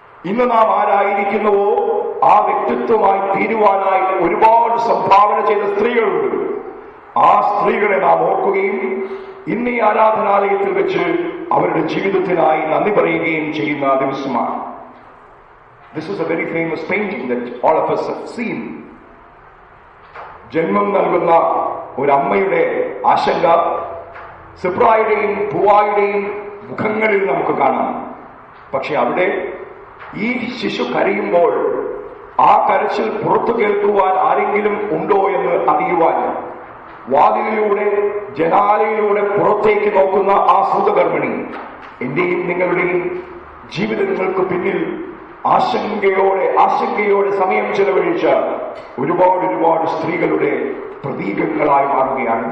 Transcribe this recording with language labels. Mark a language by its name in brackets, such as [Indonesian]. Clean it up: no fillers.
[Malayalam] ഇന്ന് നാം ആരായിരിക്കുന്നുവോ ആ വ്യക്തിത്വമായി തീരുവാനായി ഒരുപാട് സംഭാവന ചെയ്ത സ്ത്രീകളുണ്ട്. ആ സ്ത്രീകളെ നാം ഓർക്കുകയും ഇന്ന് ഈ ആരാധനാലയത്തിൽ വെച്ച് അവരുടെ ജീവിതത്തിനായി നന്ദി പറയുകയും ചെയ്യുന്ന ദിവസമാണ്. [English] This is a very famous painting that all of us have seen. [Malayalam] ജന്മം നൽകുന്ന ഒരു അമ്മയുടെ ആശങ്ക സിപ്രായുടെയും പൂവായുടെയും മുഖങ്ങളിൽ നമുക്ക് കാണാം. പക്ഷെ അവിടെ ഈ ശിശു കരയുമ്പോൾ ആ കരച്ചിൽ പുറത്തു കേൾക്കുവാൻ ആരെങ്കിലും ഉണ്ടോ എന്ന് അറിയുവാൻ വാതിലിലൂടെ ജനാലയിലൂടെ പുറത്തേക്ക് നോക്കുന്ന ആ സൂതകർമ്മിണി, എന്റെയും നിങ്ങളുടെയും ജീവിതങ്ങൾക്ക് പിന്നിൽ ആശങ്കയോടെ സമയം ചെലവഴിച്ച ഒരുപാട് ഒരുപാട് സ്ത്രീകളുടെ പ്രതീകങ്ങളായി മാറുകയാണ്.